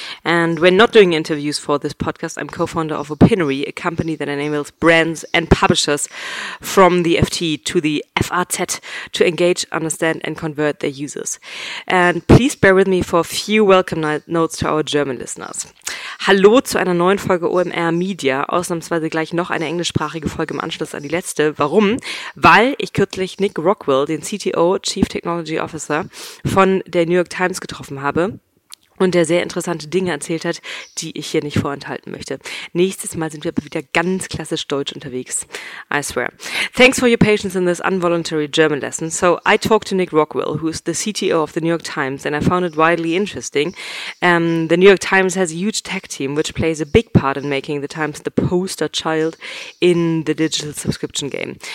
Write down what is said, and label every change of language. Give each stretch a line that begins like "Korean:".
English: And we're not doing interviews for this podcast. I'm co-founder of Opinory, a company that enables brands and publishers from the FT to the FRZ to engage, understand and convert their users. And please bear with me for a few welcome notes to our German listeners.
German: Hallo zu einer neuen Folge OMR Media, ausnahmsweise gleich noch eine englischsprachige Folge im Anschluss an die letzte. Warum? Weil ich kürzlich Nick Rockwell, den CTO, Chief Technology Officer von der New York Times getroffen habe und der sehr interessante Dinge erzählt hat, die ich hier nicht vorenthalten möchte. Nächstes Mal sind wir aber wieder ganz klassisch deutsch unterwegs.
English: I swear. Thanks for your patience in this involuntary German lesson. So I talked to Nick Rockwell, who is the CTO of the New York Times, and I found it wildly interesting. The New York Times has a huge tech team, which plays a big part in making the Times the poster child in the digital subscription game.